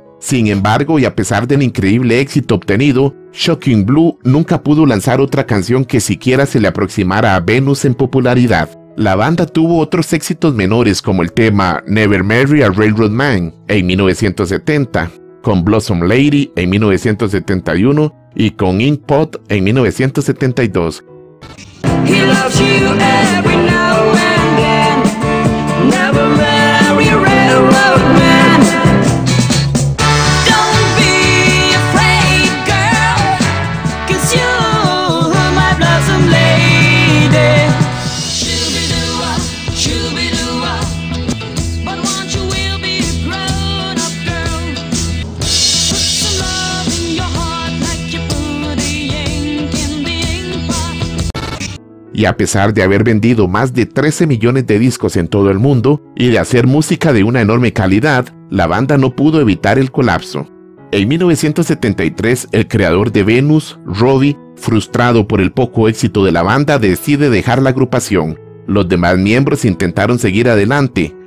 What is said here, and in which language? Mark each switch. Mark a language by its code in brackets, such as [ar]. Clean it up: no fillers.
[es] Sin embargo, y a pesar del increíble éxito obtenido, Shocking Blue nunca pudo lanzar otra canción que siquiera se le aproximara a Venus en popularidad. La banda tuvo otros éxitos menores como el tema Never Marry a Railroad Man en 1970, con Blossom Lady en 1971 y con Ink Pot en 1972. [en] He loves you every now and then. Never marry a railroad man. Don't be afraid, girl, 'cause you're my blossom lady. Shoo-be-doo-wa, shoo-be-doo-wa, but won't you will be a grown-up girl. Put some love in your heart like you put the ink in the inkpot. [es] Y a pesar de haber vendido más de 13 millones de discos en todo el mundo y de hacer música de una enorme calidad, la banda no pudo evitar el colapso. En 1973, el creador de Venus, Robbie, frustrado por el poco éxito de la banda, decide dejar la agrupación. Los demás miembros intentaron seguir adelante,